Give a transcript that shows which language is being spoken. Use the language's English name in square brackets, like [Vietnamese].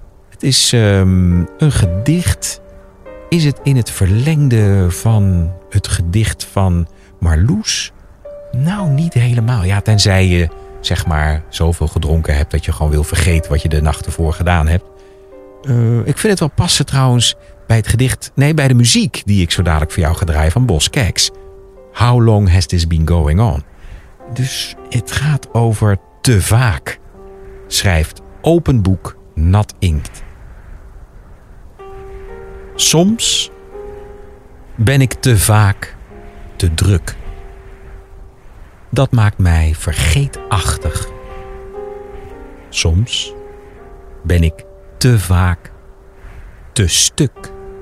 [Dutch] Het is een gedicht. Is het in het verlengde van het gedicht van Marloes? Nou, niet helemaal. Ja, tenzij je zeg maar zoveel gedronken hebt dat je gewoon wil vergeten wat je de nacht ervoor gedaan hebt. Ik vind het wel passen trouwens bij het gedicht, nee, bij de muziek die ik zo dadelijk voor jou ga draaien van Bos Keks. [English] How long has this been going on? [Dutch] Dus het gaat over te vaak, schrijft Open Boek Nat Inkt. Soms ben ik te vaak te druk. Dat maakt mij vergeetachtig. Soms ben ik te vaak te stuk.